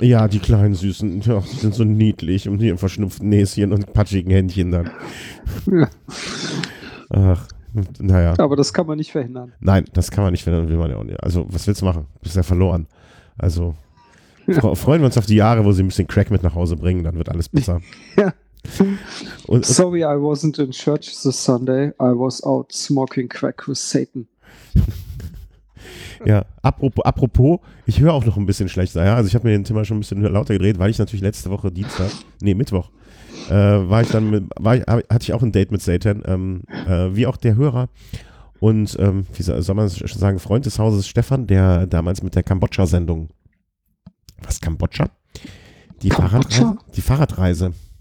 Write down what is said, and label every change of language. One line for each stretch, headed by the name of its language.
German: Ja, die kleinen Süßen, ja, die sind so niedlich und die verschnupften Näschen und patschigen Händchen dann. Ja. Ach, naja. Aber das kann man nicht verhindern. Nein, das kann man nicht verhindern, will man ja auch nicht. Also, was willst du machen? Bist ja verloren. Also, ja. Freuen wir uns auf die Jahre, wo sie ein bisschen Crack mit nach Hause bringen, dann wird alles besser. Ja.
English: Sorry, I wasn't in church this Sunday. I was out smoking crack with Satan.
German: Ja, apropos, ich höre auch noch ein bisschen schlechter. Ja? Also ich habe mir den Thema schon ein bisschen lauter gedreht, weil ich natürlich letzte Woche Mittwoch, hatte ich auch ein Date mit Satan, wie auch der Hörer und, wie soll man schon sagen, Freund des Hauses Stefan, der damals mit der Kambodscha-Sendung, was, Kambodscha? Die Fahrradreise.